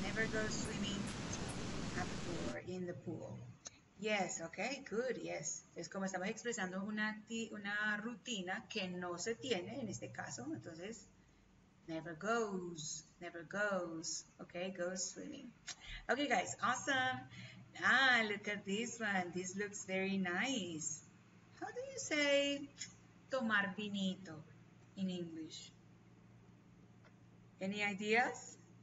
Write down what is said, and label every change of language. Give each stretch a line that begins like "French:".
English: Go swimming at the pool, in the pool. Yes, ok, good, yes.
Spanish: Es como estamos expresando una rutina que no se tiene en este caso, entonces,
English: never goes, ok, goes swimming. Ok, guys, awesome. Ah, look at this one, this looks very nice. How do you say
Spanish: tomar vinito
English: in English? Any ideas?